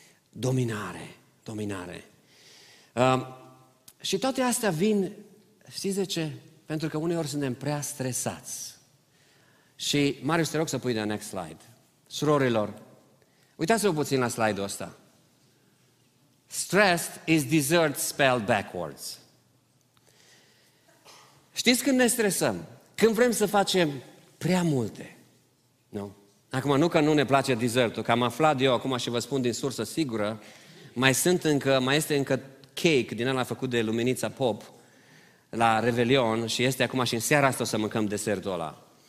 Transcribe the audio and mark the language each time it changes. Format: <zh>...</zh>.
<ro>Dominare, dominare. Și toate astea vin, știți de ce? Pentru că uneori suntem prea stresați. Și, Marius, te rog să pui de</ro> <en>next slide.</en> <ro>Surorilor, uitați-vă puțin la slide-ul ăsta.</ro> <en>Stressed is dessert spelled backwards.</en> <ro>Știți când ne stresăm? Când vrem să facem prea multe. Nu? Acum, nu că nu ne place dessertul, că am aflat eu acum și vă spun din sursă sigură, mai este încă cake din ala făcut de Luminița Pop la Revelion și este acum și în seara asta o să mâncăm desertul ăla.</ro>